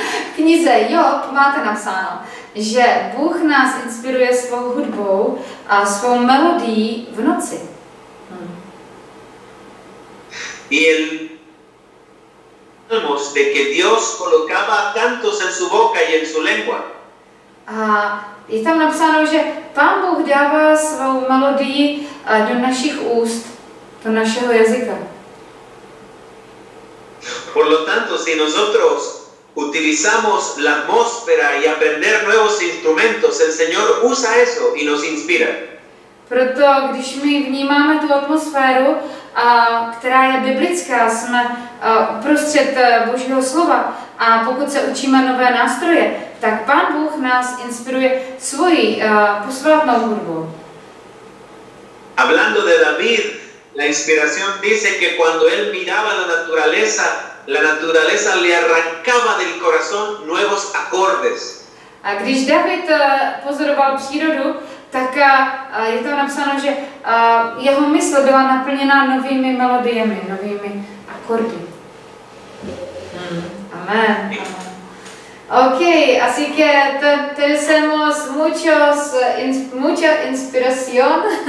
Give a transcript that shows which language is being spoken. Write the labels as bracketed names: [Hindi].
[Czech] V knize Job máte napsáno, že Bůh nás inspiruje svou hudbou a svou melodií v noci. [Spanish] Y el Salmos de que Dios colocaba cantos en su boca y en su lengua. [Czech] A je tam napsáno, že Pán Bůh dává svou melodii do našich úst, do našeho jazyka. [Spanish] Por lo tanto, si nosotros utilizamos la atmósfera y aprender nuevos instrumentos, el Señor usa eso y nos inspira. [Czech] Proto, když my vnímáme tu atmosféru, která je biblická, jsme uprostřed Božího slova, a pokud se učíme nové nástroje, tak Pán Bůh nás inspiruje svoji posvátnou hudbou. [Spanish] Hablando de David, la inspiración dice que cuando él miraba la naturaleza le arrancaba del corazón nuevos acordes. [Czech] A když David pozoroval přírodu, tak je tam napsáno, že jeho mysl byla naplněna novými melodiemi, novými akordy. [Spanish] Amen. Ok, así que tenemos mucha inspiración.